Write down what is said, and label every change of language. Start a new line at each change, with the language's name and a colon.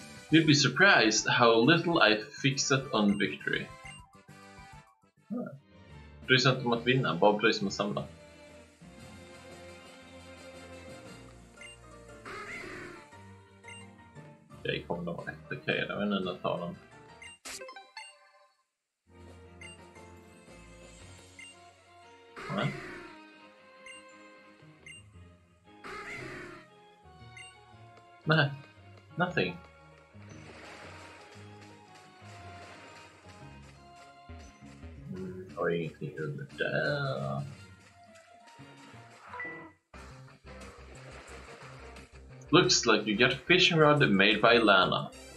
English: You'd be surprised how little I fixed on victory.
Swedish: Bry sig inte om att vinna, bara bry sig om att samla. Jag kommer nog att attackera mig nu när jag tar den. Nej.
English: Nothing.
Swedish: Har ingenting under där.
English: Looks like you got a fishing rod made by Lana.